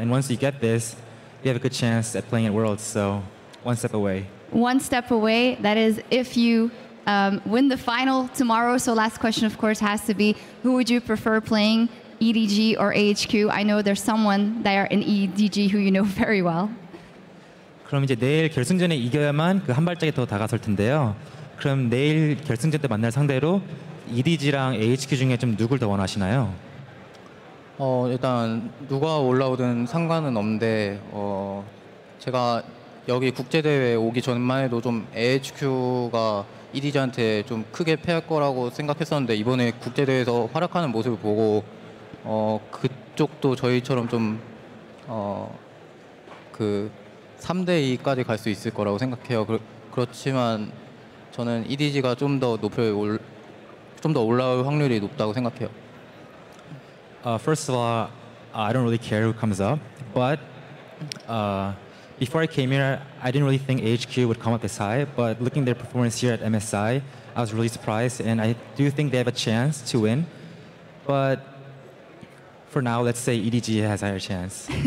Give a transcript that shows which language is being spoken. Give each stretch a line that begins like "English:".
English: And once you get this, you have a good chance at playing at Worlds. So one step away. One step away. That is if you. Win the final tomorrow. So last question, of course, has to be, who would you prefer playing, EDG or AHQ? I know there's someone there in EDG who you know very well.
Korean: 그럼 이제 내일 결승전에 이겨야만 그 한 발짝이 더 다가설 텐데요. 그럼 내일 결승전 때 만날 상대로 EDG랑 AHQ 중에 좀 누굴 더 원하시나요? 일단 누가 올라오든 상관은 없는데 제가 여기 국제대회 오기 전만 해도 좀 AHQ가 EDG한테 좀 크게 패할 거라고 생각했었는데 이번에 국제대회에서 활약하는 모습을 보고 그쪽도 저희처럼 좀 그 3대 2까지 갈 수 있을 거라고 생각해요. 그렇지만 저는 EDG가 좀 더 높여 좀 더 올라올 확률이 높다고 생각해요.
English: First of all, I don't really care who comes up, but before I came here, I didn't really think AHQ would come up this high, but looking at their performance here at MSI, I was really surprised, and I do think they have a chance to win. But for now, let's say EDG has a higher chance.